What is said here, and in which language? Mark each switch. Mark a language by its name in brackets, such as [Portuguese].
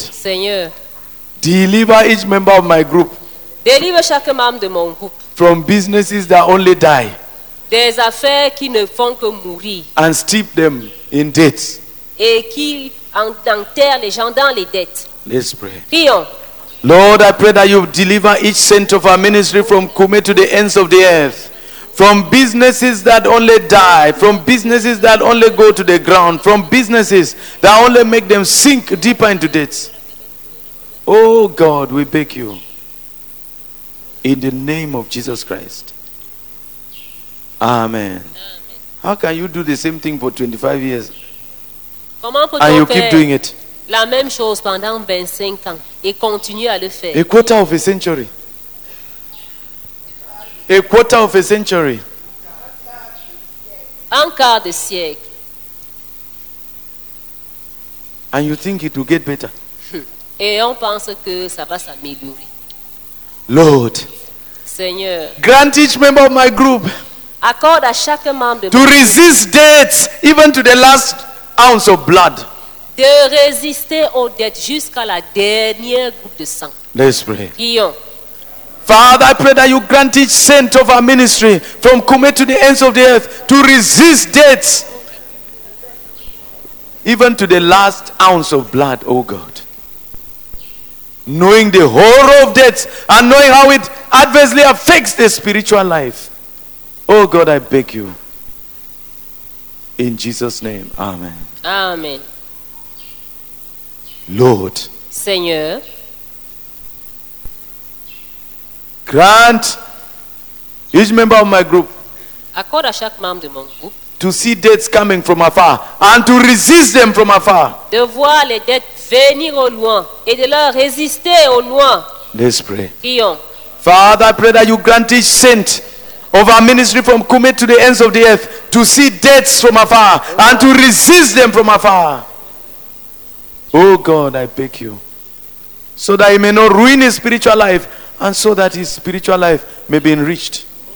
[French] Seigneur. [English] Deliver each member of my group. [French] Délivre chaque membre de mon groupe. [English] From businesses that only die. [French] Des affaires qui ne font que mourir. [English] And steep them in debts. [French] Et qui enterre les gens dans les dettes. [English] Let's pray. [French] Prions. [English] Lord, I pray that you deliver each cent of our ministry from Kume to the ends of the earth. From businesses that only die. From businesses that only go to the ground. From businesses that only make them sink deeper into debts. Oh God, we beg you. In the name of Jesus Christ. Amen. How can you do the same thing for 25 years? And you keep doing it. [French] La même chose pendant 25 ans et continue à le faire. [English] A quarter of a century. A quarter of a century. [French] Un quart de siècle. [English] And you think it will get better. [French] Et on pense que ça va s'améliorer. [English] Lord. [French] Seigneur. [English] Grant each member of my group. [French] Accorde à chaque membre de [English] to resist death even to the last ounce of blood. [French] De résister aux dettes jusqu'à la dernière goutte de sang. [English] Let's pray. [French] Prions. [English] Father, I pray that you grant each saint of our ministry from Kume to the ends of the earth to resist debts even to the last ounce of blood, oh God. Knowing the horror of debts and knowing how it adversely affects the spiritual life. Oh God, I beg you. In Jesus' name, amen. Amen. Lord, [French] Seigneur, [English] grant each member of my group, [French] accord à chaque membre de mon groupe, [English] to see debts coming from afar and to resist them from afar. [French] De voir les dettes venir au loin et de leur résister au loin. [English] Let's pray. [French] Prions. [English] Father, I pray that you grant each saint of our ministry from Kume to the ends of the earth to see debts from afar and to resist them from afar. Oh God, I beg you, so that he may not ruin his spiritual life and so that his spiritual life may be enriched.